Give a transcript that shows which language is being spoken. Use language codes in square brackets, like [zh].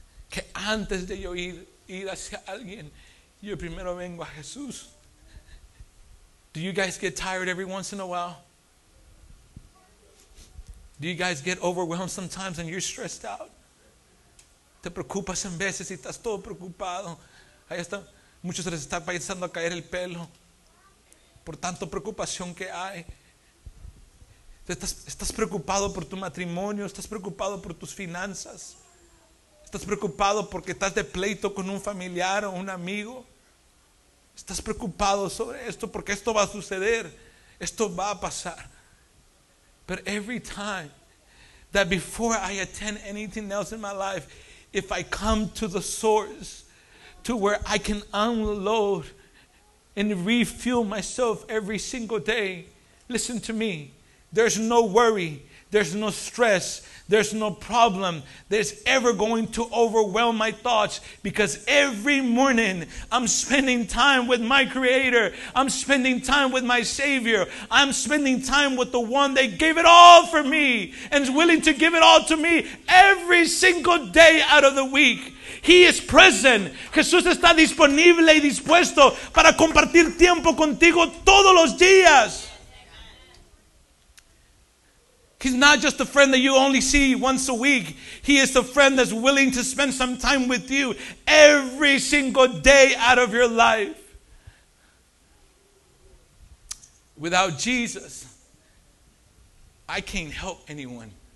[es] Que antes de yo ir hacia alguien, yo primero vengo a Jesús. [en] Do you guys get tired every once in a while? Do you guys get overwhelmed sometimes and you're stressed out? [es] Te preocupas en veces y estás todo preocupado. Ahí está, muchos se les está pensando a caer el pelo por tanto preocupación que hay. Estás preocupado por tu matrimonio, estás preocupado por tus finanzas, estás preocupado porque estás de pleito con un familiar o un amigo, estás preocupado sobre esto porque esto va a suceder, esto va a pasar. [en] But every time that before I attend anything else in my life, if I come to the source, to where I can unload and refuel myself every single day, listen to me. There's no worry, there's no stress, there's no problem that's ever going to overwhelm my thoughts, because every morning I'm spending time with my Creator, I'm spending time with my Savior, I'm spending time with the one that gave it all for me and is willing to give it all to me every single day out of the week. He is present. [es] Jesús está disponible y dispuesto para compartir tiempo contigo todos los días. [en] He's not just a friend that you only see once a week. He is a friend that's willing to spend some time with you every single day out of your life. Without Jesus, I can't help anyone.